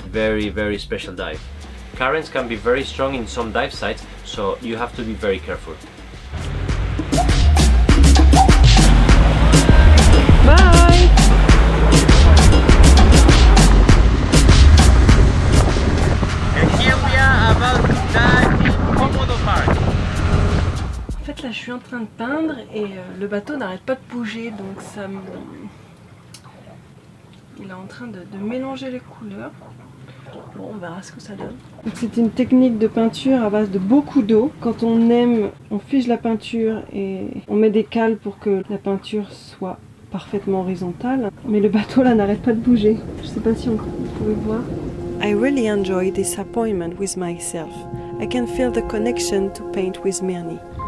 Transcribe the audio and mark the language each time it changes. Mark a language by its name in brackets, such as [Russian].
[English] Very, very special dive. Currents can be very strong in some dive sites, so you have to be very careful. Bye! And here we are about to dive in Komodo Park. [French] Là, je suis en train de peindre et le bateau n'arrête pas de bouger, donc ça me... Il est en train de mélanger les couleurs. Bon, on verra ce que ça donne. C'est une technique de peinture à base de beaucoup d'eau. Quand on aime, on fige la peinture et on met des cales pour que la peinture soit parfaitement horizontale. Mais le bateau là n'arrête pas de bouger. Je sais pas si on pouvait voir. [English] I really enjoy this appointment with myself. I can feel the connection to paint with Mirny.